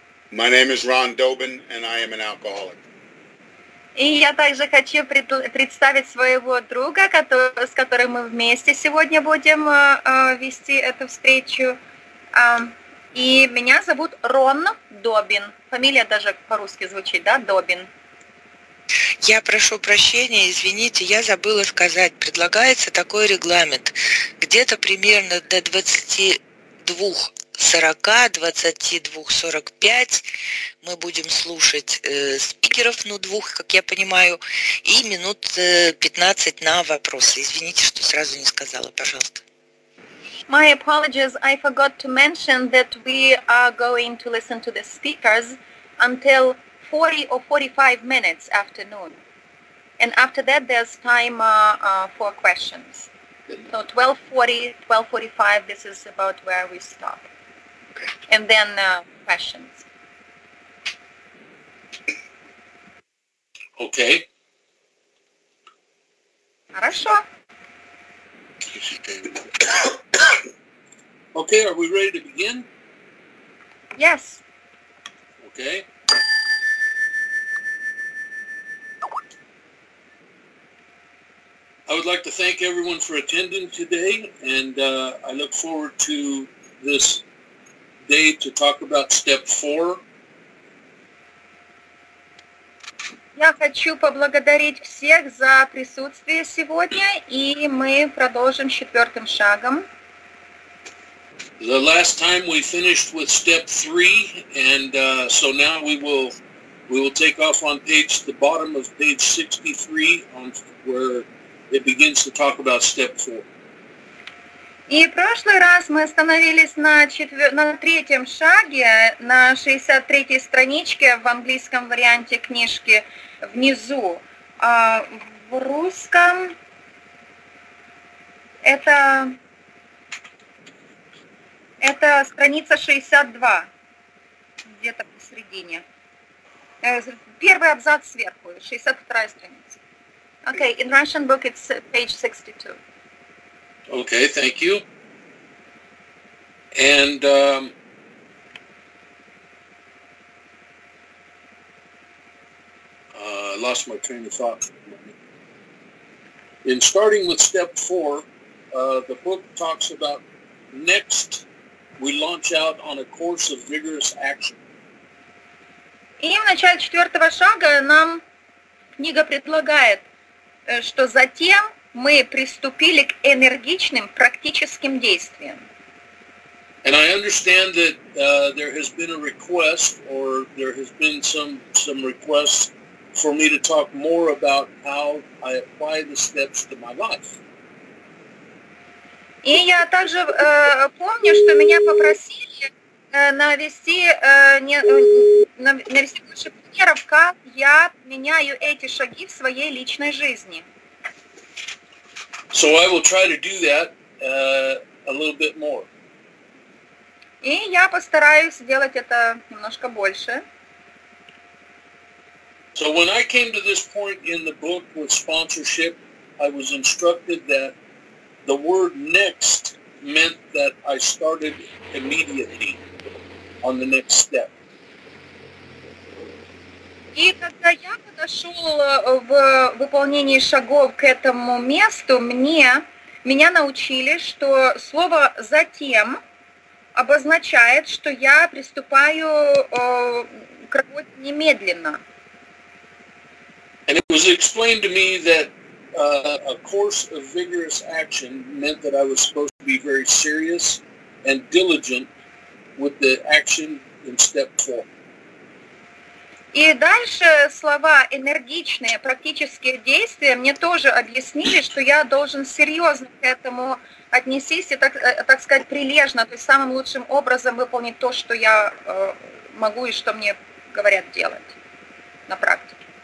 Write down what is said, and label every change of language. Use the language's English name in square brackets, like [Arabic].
[English] My name is Ron Dobin, and I am an alcoholic. [Russian] И я также хочу представить своего друга, с которым мы вместе сегодня будем вести эту встречу. И меня зовут Рон Добин. Фамилия даже по-русски звучит, да, Добин? Я прошу прощения, извините, я забыла сказать. Предлагается такой регламент. Где-то примерно до 22:40, 22:45 мы будем слушать спикеров, ну, двух, как я понимаю, и минут 15 на вопросы. Извините, что сразу не сказала, пожалуйста. [English] My apologies, I forgot to mention that we are going to listen to the speakers until 40 or 45 minutes afternoon. And after that there's time for questions. So 12:40, 12:45, this is about where we stop. And then questions. Okay. [Russian] Хорошо. [English] Okay, are we ready to begin? Yes. Okay. I would like to thank everyone for attending today, and I look forward to this day to talk about step four. [Russian] Я хочу поблагодарить всех за присутствие сегодня, и мы продолжим четвертым шагом. [English] The last time we finished with step three, and so now we will take off on the bottom of page 63 on where it begins to talk about step four. [Russian] И в прошлый раз мы остановились на третьем шаге, на 63-й страничке в английском варианте книжки внизу. А в русском это страница 62, где-то посередине. Первый абзац сверху, 62-я страница. [English] Okay, in Russian book it's page 62. Okay, thank you. And I lost my train of thought. In starting with step four, the book talks about next we launch out on a course of vigorous action. [Russian] И в начале четвертого шага нам книга предлагает, что затем мы приступили к энергичным практическим действиям. [English] And I understand that there has been a request, or there has been some requests for me to talk more about how I apply the steps to my life. [Russian] И я также помню, что меня попросили навести больше примеров, как я меняю эти шаги в своей личной жизни. [English] So I will try to do that a little bit more. [Russian] И я постараюсь сделать это немножко больше. [English] So when I came to this point in the book with sponsorship, I was instructed that the word next meant that I started immediately on the next step. [Russian] И когда я подошел в выполнении шагов к этому месту, меня научили, что слово «затем» обозначает, что я приступаю к работе немедленно. [English] And it was explained to me that a course of vigorous action meant that I was supposed to be very serious and diligent with the action in step four. [Russian] И дальше слова «энергичные», «практические действия» мне тоже объяснили, что я должен серьезно к этому отнестись и, так сказать, прилежно, то есть самым лучшим образом выполнить то, что я могу и что мне говорят делать на практике.